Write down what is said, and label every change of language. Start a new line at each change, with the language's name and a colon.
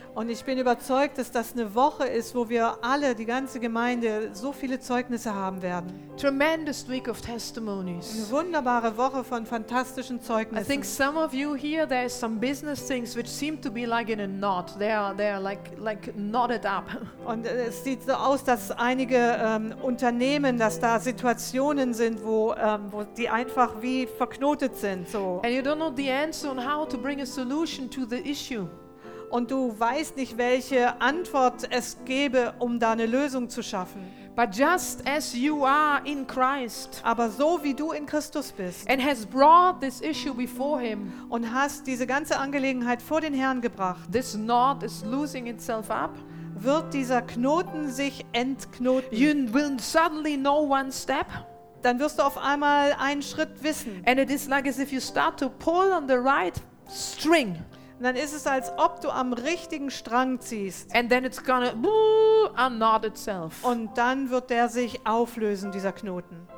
German: Und ich bin überzeugt, dass das eine Woche ist, wo wir alle, die ganze Gemeinde, so viele Zeugnisse haben werden.
English: Tremendous week of testimonies.
German: Eine wunderbare Woche von fantastischen Zeugnissen.
English: I think some of you here, there is some business things which seem to be like in a knot. They are like knotted up.
German: Und es sieht so aus, dass einige Unternehmen, dass da Situationen sind, wo die einfach wie verknotet sind.
English: So. And you don't know the answer on how to bring a solution to the issue.
German: Und du weißt nicht, welche Antwort es gäbe, um da eine Lösung zu schaffen.
English: But just as you are in Christ,
German: aber so wie du in Christus bist,
English: and has brought this issue before him,
German: und hast diese ganze Angelegenheit vor den Herrn gebracht,
English: this knot is losing itself up,
German: wird dieser Knoten sich entknoten.
English: You will suddenly know one step.
German: Dann wirst du auf einmal einen Schritt wissen.
English: And it is like as if you start to pull on the right string.
German: Und dann ist es, als ob du am richtigen Strang ziehst.
English: And then it's gonna unknot itself.
German: Und dann wird der sich auflösen, dieser Knoten.